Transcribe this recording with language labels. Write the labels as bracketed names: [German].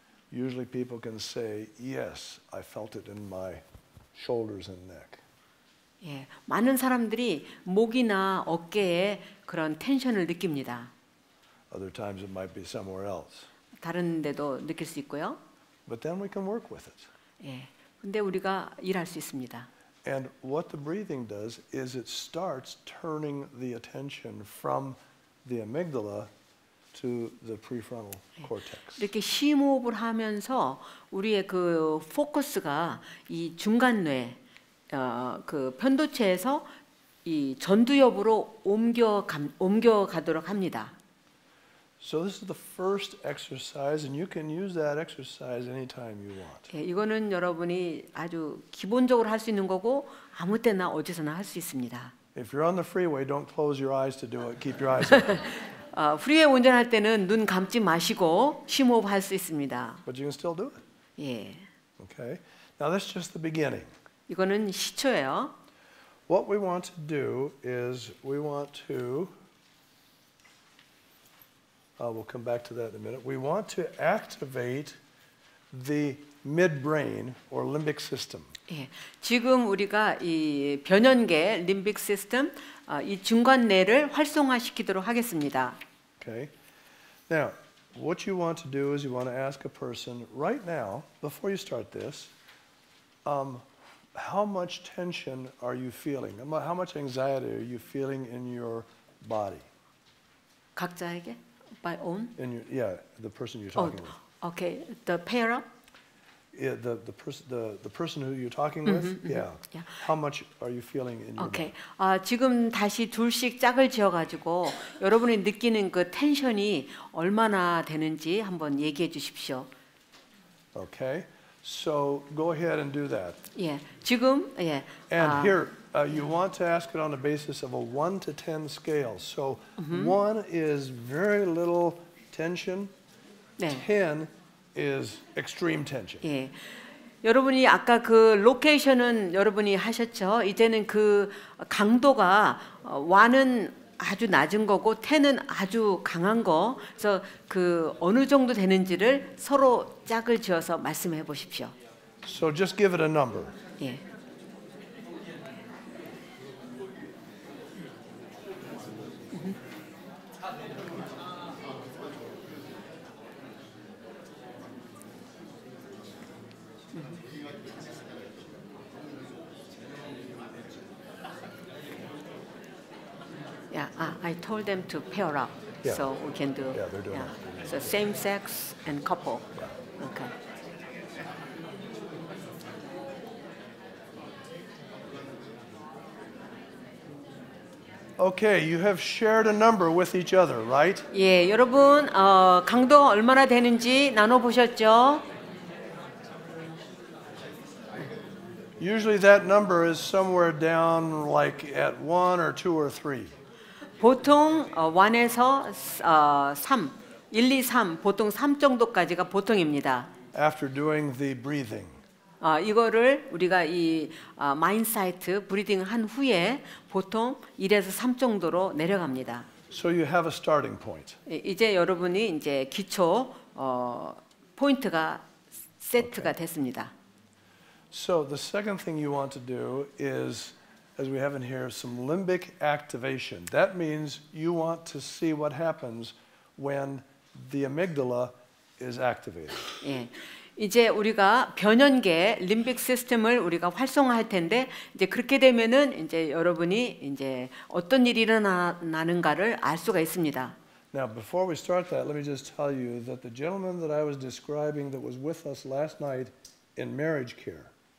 [English] Usually people can say, "Yes, I felt it in my shoulders and neck." [Korean] 예, 많은 사람들이 목이나 어깨에 그런 텐션을 느낍니다. [English] Other times it might be somewhere else. [Korean] 다른 데도 느낄 수 있고요. [English] But then we can work with it. [Korean] 예, 근데 우리가 일할 수 있습니다. [English] And what the breathing does is it starts turning the attention from the amygdala to the prefrontal cortex. [Korean] 이렇게 심호흡을 하면서 우리의 그 포커스가 이 중간뇌 그 편도체에서 이 전두엽으로 옮겨가도록 합니다. [English] So this is the first exercise, and you can use that exercise anytime you want. [Korean] 예, 이거는 여러분이 아주 기본적으로 할 수 있는 거고 아무 때나 어디서나 할 수 있습니다. [English] If you're on the freeway, don't close your eyes to do it. Keep your eyes open. [Korean] 프리웨이 운전할 때는 눈 감지 마시고 심호흡 할 수 있습니다. [English] But you can still do it. [Korean] 예. [English] Okay. Now that's just the beginning. [Korean] 이거는 시초예요. [English] What we want to do is we want to we'll come back to that in a minute. We want to activate the midbrain or limbic system. [Korean] 예, 지금 우리가 이 변연계 limbic system 이 중간뇌를 활성화시키도록 하겠습니다. [English] Okay. Now, what you want to do is you want to ask a person right now before you start this how much tension are you feeling? How much anxiety are you feeling in your body? [Korean] 각자에게? [English] By own? In your, yeah, the person you're talking with. Okay, the pair up? Yeah, the person who you're talking with? Mm-hmm, yeah. Mm-hmm. Yeah. How much are you feeling in your okay. body? Okay. [Korean] 지금 다시 둘씩 짝을 지어 가지고 여러분이 느끼는 그 텐션이 얼마나 되는지 한번 얘기해 주십시오. [English] Okay. So go ahead and do that. [Korean] 예, 지금 예. [English] And here you want to ask it on the basis of a 1 to 10 scale. So 1 is very little tension. [Korean] 네. [English] 10 is extreme tension. [Korean] 예. 여러분이 아까 그 로케이션은 여러분이 하셨죠. 이제는 그 강도가 1은 아주 낮은 거고 10은 아주 강한 거. 그래서 그 어느 정도 되는지를 서로 짝을 지어서 말씀해 보십시오. [English] So just give it a number. [Korean] 예. [English] I told them to pair up. Yeah. So we can do. Yeah, they're doing yeah. So same sex and couple. Yeah. Okay. Okay, you have shared a number with each other, right? [Korean] 예, 여러분 강도 얼마나 되는지 나눠 보셨죠? [English] Usually that number is somewhere down like at 1 or 2 or 3. [Korean] 보통 1에서 3, 1, 2, 3, 보통 3 정도까지가 보통입니다. [English] After doing the breathing. [Korean] 이거를 우리가 이 마인사이트 브리딩 한 후에 보통 1에서 3 정도로 내려갑니다. [English] So you have a starting point. [Korean] 이제 여러분이 이제 기초 포인트가 세트가 됐습니다. [English] So the second thing you want to do is, as we have in here, some limbic activation. That means you want to see what happens when the amygdala is activated. [Korean] 예. 이제 우리가 변연계 limbic system을 우리가 활성화할 텐데 이제 그렇게 되면은 이제 여러분이 이제 어떤 일이 일어나는가를 알 수가 있습니다. [English] Now before we start that, let me just tell you that the gentleman that I was describing that was with us last night in marriage care.